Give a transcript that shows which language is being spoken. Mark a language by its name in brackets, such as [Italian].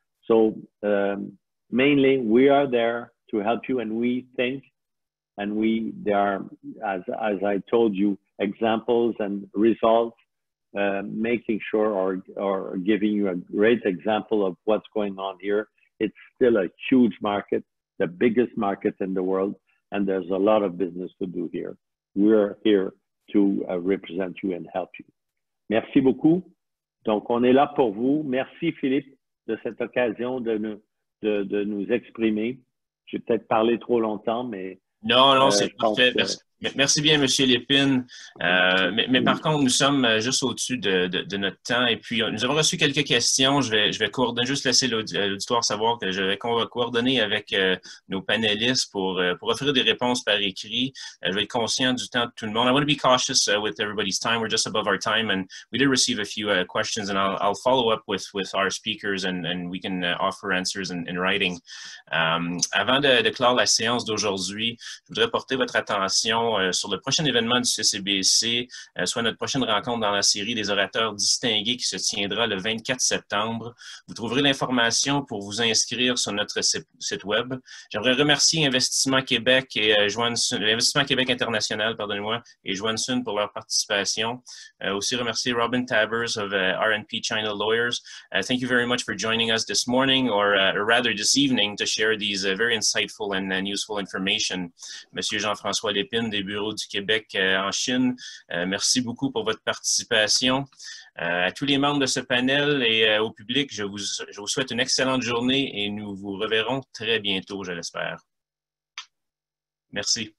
[English] So, mainly, we are there to help you, and we think, and as I told you, examples and results, making sure or giving you a great example of what's going on here. It's still a huge market, the biggest market in the world, and there's a lot of business to do here. We're here to represent you and help you. [French] Merci beaucoup. Donc, on est là pour vous. Merci, Philippe, de cette occasion de nous exprimer. J'ai peut-être parlé trop longtemps, mais... Non, c'est parfait. Merci bien, M. Lépine. Mais par contre, nous sommes juste au-dessus de notre temps. Et puis, nous avons reçu quelques questions. Je vais coordonner, juste laisser l'auditoire savoir que je vais coordonner avec nos panélistes pour offrir des réponses par écrit. Je vais être conscient du temps de tout le monde. [English] I want to be cautious with everybody's time. We're just above our time. And we did receive a few questions. And I'll follow up with our speakers. And we can offer answers in writing. [French] Avant de clore la séance d'aujourd'hui, je voudrais porter votre attention sur le prochain événement du CCBC, soit notre prochaine rencontre dans la série des orateurs distingués qui se tiendra le 24 septembre. Vous trouverez l'information pour vous inscrire sur notre site web. J'aimerais remercier Investissement Québec et Investissement Québec International, pardonnez-moi, et Joanson pour leur participation. Aussi remercier Robin Tabbers of RNP China Lawyers. [English] Thank you very much for joining us this morning, or rather this evening, to share these very insightful and useful information. [French] Monsieur Jean-François Lépine, des Bureaux du Québec en Chine. Merci beaucoup pour votre participation. À tous les membres de ce panel et au public, je vous souhaite une excellente journée et nous vous reverrons très bientôt, je l'espère. Merci.